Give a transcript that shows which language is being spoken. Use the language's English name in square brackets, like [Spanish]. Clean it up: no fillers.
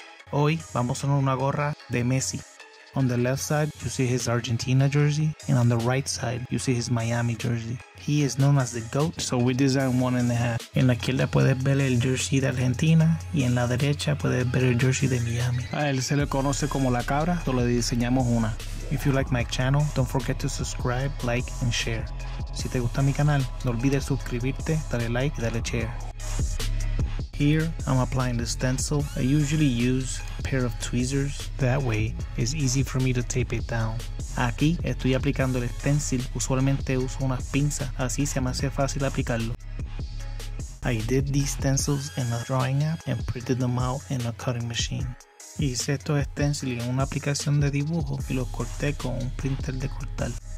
[Spanish] Hoy, vamos a hacer una gorra de Messi. [English] On the left side, you see his Argentina jersey, and on the right side, you see his Miami jersey. He is known as the GOAT, so we designed one in the hat. [Spanish] En la izquierda puedes ver el jersey de Argentina, y en la derecha puedes ver el jersey de Miami. A él se le conoce como la cabra, so le diseñamos una. [English] If you like my channel, don't forget to subscribe, like, and share. [Spanish] Si te gusta mi canal, no olvides suscribirte, dale like, y dale share. [English] Here, I'm applying the stencil. I usually use a pair of tweezers. That way, it's easy for me to tape it down. [Spanish] Aquí, estoy aplicando el stencil. Usualmente uso unas pinzas, así se me hace fácil aplicarlo. [English] I did these stencils in a drawing app and printed them out in a cutting machine. [Spanish] Hice estos stencils en una aplicación de dibujo y los corté con un printer de cortar.